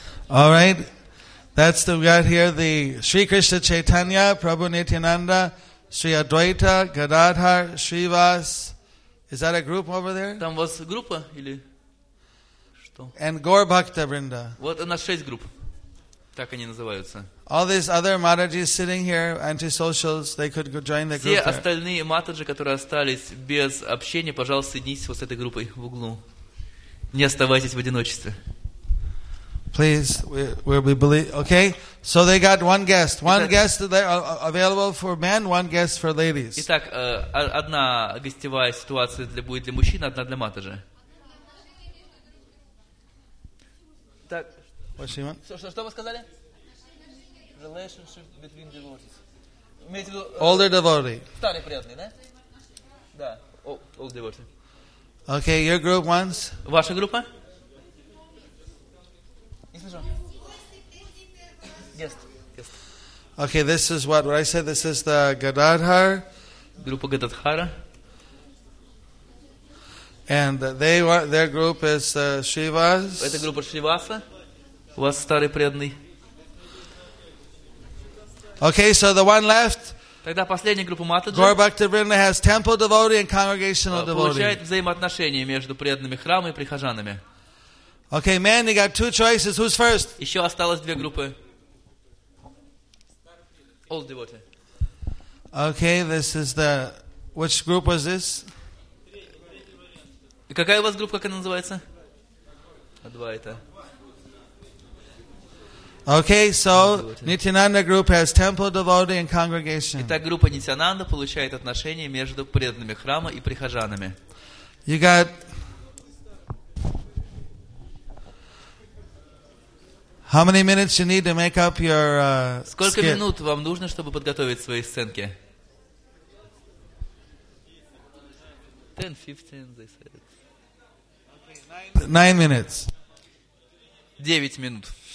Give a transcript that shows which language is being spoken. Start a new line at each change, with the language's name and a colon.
English: All right, that's the, we got here, the Sri Krishna Chaitanya, Prabhu Nityananda, Sri Advaita, Gadadhar, Srivas. Is that a group over there?
Russian: Там у вас группа или что?
English: And Gaur Bhakta Vrinda.
Russian: Вот у нас шесть групп. Так они называются.
English: All these other Mataji's sitting here, antisocials, they could join the group.
Russian: Все остальные Mataji, которые остались без общения, пожалуйста, соединитесь вот с этой группой в углу. Не оставайтесь в одиночестве.
English: Please, we believe. Okay, so they got one guest. One guest available for men. One guest for ladies.
Russian: Итак, одна гостевая ситуация для будет для мужчин, одна для матаджи. Так. Что вы сказали?
English: Relationship between devotees. Older devotee.
Russian: Старый преданный, да? Да.
English: Old devotee. Okay, your group wants.
Russian: Ваша группа?
English: Okay, this is what I said. This is the Gadadhar.
Russian: Группа Гададхара.
English: And they were, their group is Srivas.
Russian: Это группа Шривасы. У вас старый преданный.
English: Okay, so the one left.
Russian: Тогда последняя группа Матаджи.
English: Gaur Bhakta Vrinda has temple devotee and congregational devotee.
Russian: Получает взаимоотношения между преданными храма и прихожанами.
English: Okay, man, you got two choices. Who's first?
Russian: Еще осталось две группы.
English: Old devotee. Okay, this is the... Which group was this?
Russian: Какая у вас группа, как она называется? Адвайта.
English: Okay, so Nityananda group has temple devotee and congregation.
Russian: Итак, группа Нитянанда получает отношения между преданными храма и прихожанами.
English: You got... How many minutes you need to make up your skit? Сколько минут вам нужно, чтобы подготовить свои сценки? 10-15, they said. 9 minutes.
Russian: 9 минут.